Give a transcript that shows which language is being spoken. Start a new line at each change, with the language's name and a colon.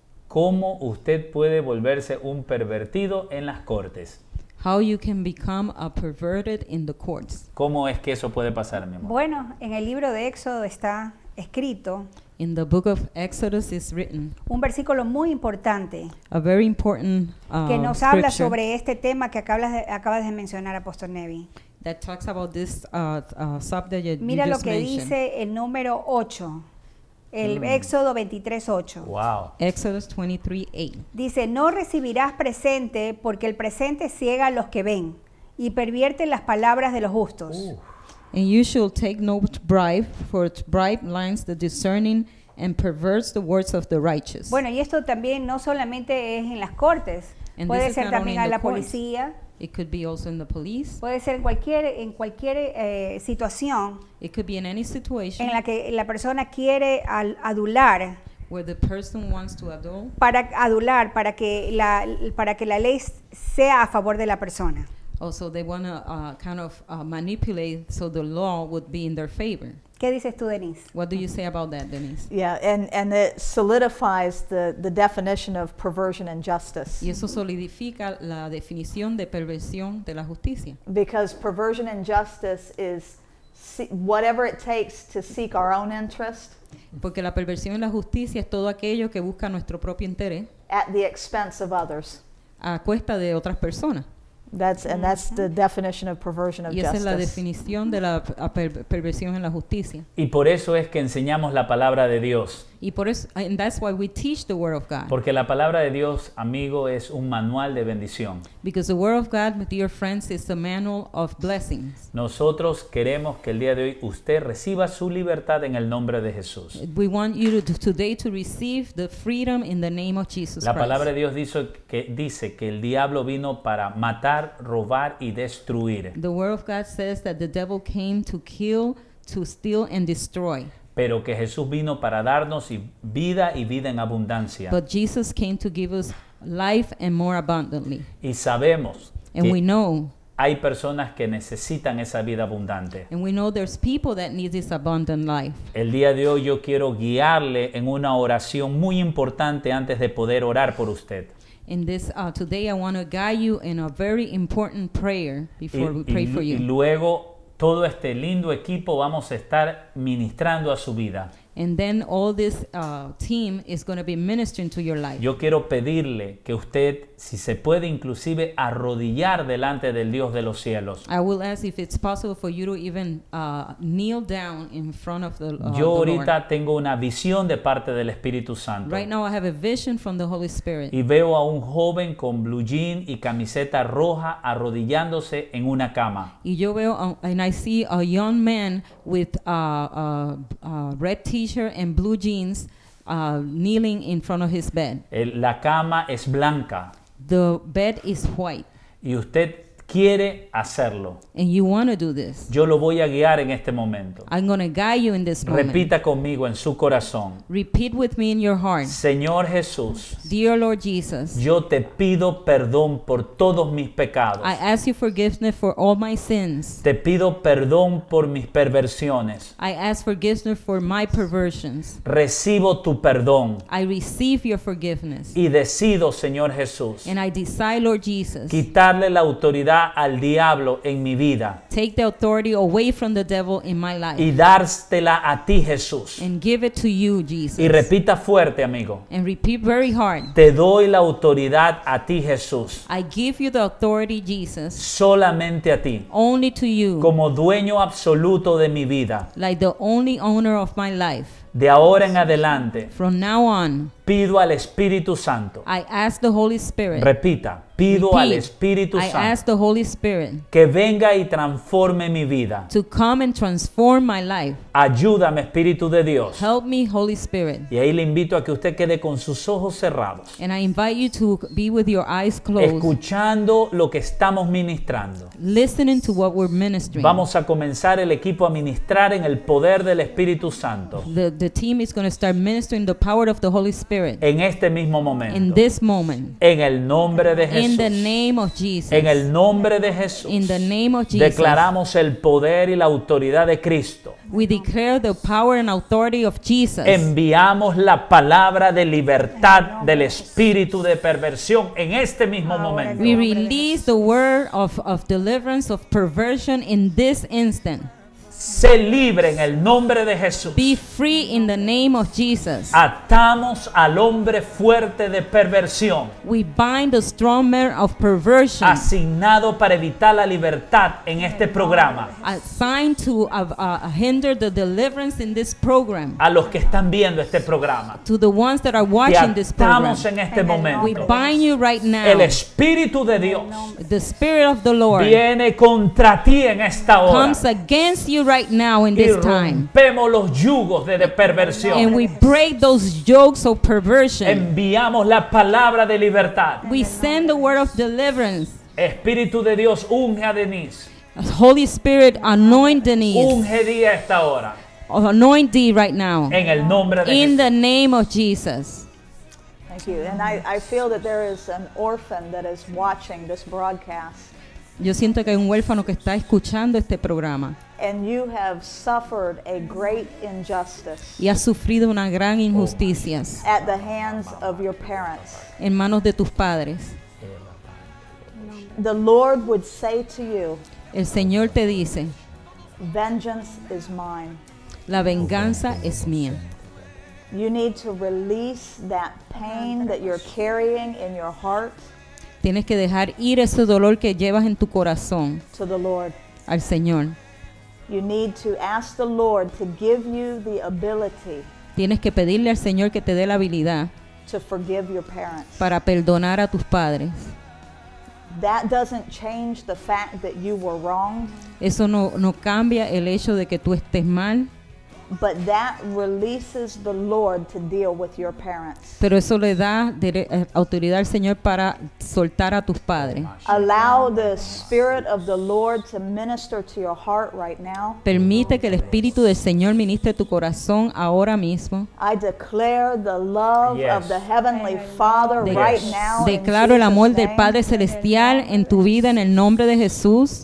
Spanish: ¿Cómo usted puede volverse un pervertido en las cortes?
English: How you can become a perverted in the courts.
Spanish: ¿Cómo es que eso puede pasar, mi amor? Bueno, en el libro de Éxodo está escrito.
English: In the book of Exodus is written.
Spanish: Un versículo muy importante.
English: A very important scripture.
Spanish: Que nos habla sobre este tema que acabas de mencionar, Apóstol Nevi.
English: That talks about this subject you just mentioned.
Spanish: Mira lo que dice el número 8. El Éxodo 23:8. Wow.
English: Exodus 23:8.
Spanish: Dice, no recibirás presente porque el presente ciega a los que ven y pervierte las palabras de los justos.
English: And you shall take no bribe, for bribe blinds the discerning and perverts the words of the righteous.
Spanish: Bueno, y esto también no solamente es en las cortes,
English: and
Spanish: puede ser también a la policía.
English: It could be also in the police.
Spanish: Puede ser en cualquier situación.
English: It could be in any situation.
Spanish: En la que la persona quiere adular.
English: Where the person wants to adore.
Spanish: Para adular, para que la ley sea a favor de la persona.
English: Also, they want to manipulate so the law would be in their favor.
Spanish: ¿Qué dices tú, Denise?
English: What do you say about that, Denise? Yeah, and it solidifies the definition of perversion and justice.
Spanish: Y eso solidifica la definición de perversión de la justicia.
English: Because perversion and justice is whatever it takes to seek our own interest.
Spanish: Porque la perversión y la justicia es todo aquello que busca nuestro propio interés.
English: At the expense of others.
Spanish: A cuesta de otras personas.
English: That's the definition of perversion of justice.
Spanish: Y esa es la definición de la perversión en la justicia. Y por eso es que enseñamos la palabra de Dios. Y por eso,
English: and that's why we teach the word of God.
Spanish: Porque la palabra de Dios, amigo, es un manual de bendición.
English: Because the word of God, my dear friends, is a manual of blessings.
Spanish: Nosotros queremos que el día de hoy usted reciba su libertad en el nombre de Jesús.
English: We want you today to receive the freedom in the name of Jesus Christ.
Spanish: La palabra de Dios dice que el diablo vino para matar, robar y destruir.
English: The word of God says that the devil came to kill, to steal and destroy.
Spanish: Pero que Jesús vino para darnos vida y vida en abundancia.
English: But Jesus came to give us life and more abundantly.
Spanish: Y sabemos.
English: And we know.
Spanish: Hay personas que necesitan esa vida abundante.
English: And we know there's people that need this abundant life.
Spanish: El día de hoy yo quiero guiarle en una oración muy importante antes de poder orar por usted.
English: In this today I want to guide you in a very important prayer before we pray for you.
Spanish: Y luego todo este lindo equipo vamos a estar ministrando a su vida.
English: And then all this team is going to be ministering to your life.
Spanish: Yo quiero pedirle que usted, si se puede, inclusive arrodillar delante del Dios de los cielos.
English: I will ask if it's possible for you to even kneel down in front of the Lord.
Spanish: Yo ahorita tengo una visión de parte del Espíritu Santo.
English: Right now I have a vision from the Holy Spirit.
Spanish: Y veo a un joven con blue jean y camiseta roja arrodillándose en una cama. Y yo veo,
English: and I see a young man with red t-shirt and blue jeans kneeling in front of his bed.
Spanish: La cama es blanca.
English: The bed is white.
Spanish: Y usted quiere hacerlo.
English: And you want to do this.
Spanish: Yo lo voy a guiar en este momento.
English: I'm going to guide you in this moment.
Spanish: Repita conmigo en su corazón.
English: Repeat with me in your heart.
Spanish: Señor Jesús.
English: Dear Lord Jesus.
Spanish: Yo te pido perdón por todos mis pecados.
English: I ask you forgiveness for all my sins.
Spanish: Te pido perdón por mis perversiones.
English: I ask forgiveness for my perversions.
Spanish: Recibo tu perdón.
English: I receive your forgiveness.
Spanish: Y decido, Señor Jesús.
English: And I decide, Lord Jesus.
Spanish: Quitarle la autoridad al diablo en mi vida.
English: Take the authority away from the devil in my life.
Spanish: Y dárstela a ti, Jesús.
English: And give it to you, Jesus.
Spanish: Y repita fuerte, amigo.
English: And repeat very hard.
Spanish: Te doy la autoridad a ti, Jesús.
English: I give you the authority, Jesus.
Spanish: Solamente a ti.
English: Only to you.
Spanish: Como dueño absoluto de mi vida.
English: Like the only owner of my life.
Spanish: De ahora en adelante.
English: From now on.
Spanish: Pido al Espíritu Santo.
English: I ask the Holy Spirit.
Spanish: Repita. Pido
English: repeat,
Spanish: al Espíritu Santo.
English: I ask the Holy Spirit.
Spanish: Que venga y transforme mi vida.
English: To come and transform my life.
Spanish: Ayúdame, Espíritu de Dios.
English: Help me, Holy Spirit.
Spanish: Y ahí le invito a que usted quede con sus ojos cerrados.
English: And I invite you to be with your eyes closed.
Spanish: Escuchando lo que estamos ministrando.
English: Listening to what we're ministering.
Spanish: Vamos a comenzar el equipo a ministrar en el poder del Espíritu Santo.
English: The team is going to start ministering the power of the Holy Spirit.
Spanish: En este mismo momento.
English: In this moment.
Spanish: En el nombre de Jesús.
English: In the name of Jesus.
Spanish: En el nombre de Jesús.
English: In the name of Jesus.
Spanish: Declaramos el poder y la autoridad de Cristo.
English: We declare the power and authority of Jesus.
Spanish: Enviamos la palabra de libertad del espíritu de perversión en este mismo momento.
English: We release the word of deliverance of perversion in this instant.
Spanish: Sé libre en el nombre de Jesús.
English: Be free in the name of Jesus.
Spanish: Atamos al hombre fuerte de perversión.
English: We bind the strong man of perversion.
Spanish: Asignado para evitar la libertad en este programa.
English: Assigned to hinder the deliverance in this program.
Spanish: A los que están viendo este programa.
English: To the ones that are watching this program.
Spanish: Te atamos en este momento.
English: We bind you right now.
Spanish: El Espíritu de Dios.
English: The Spirit of the Lord.
Spanish: Viene contra ti en esta hora.
English: Comes against you right now in this time.
Spanish: Rompemos los yugos de perversión.
English: And we break those yokes of perversion.
Spanish: Enviamos la palabra de libertad.
English: We send the word of deliverance.
Spanish: Espíritu de Dios, unge a Denise.
English: Holy Spirit, anoint Denise.
Spanish: Unge a esta hora.
English: Anoint thee right now.
Spanish: En el nombre de
English: in the name of Jesus. Thank you. And I feel that there is an orphan that is watching this broadcast.
Spanish: Yo siento que hay un huérfano que está escuchando este programa.
English: And you have suffered a great injustice.
Spanish: Y has sufrido una gran injusticia.
English: At the hands of your parents.
Spanish: En manos de tus padres.
English: The Lord would say to you.
Spanish: El Señor te dice.
English: Vengeance is mine.
Spanish: La venganza es mía.
English: You need to release that pain that you're carrying in your heart.
Spanish: Tienes que dejar ir ese dolor que llevas en tu corazón
English: to the Lord.
Spanish: Al Señor.
English: You need to ask the Lord to give you the ability.
Spanish: Tienes que pedirle al Señor que te dé la habilidad
English: to forgive your parents.
Spanish: Para perdonar a tus padres.
English: That doesn't change the fact that you were wrong.
Spanish: Eso no cambia el hecho de que tú estés mal.
English: But that releases the Lord to deal with your parents.
Spanish: Pero eso le da autoridad al Señor para soltar a tus padres.
English: Allow the Spirit of the Lord to minister to your heart right now.
Spanish: Permite que el Espíritu del Señor ministre tu corazón ahora mismo.
English: I declare the love yes. of the Heavenly Father yes. right now.
Spanish: Declaro el amor del Padre Celestial en tu vida en el nombre de Jesús.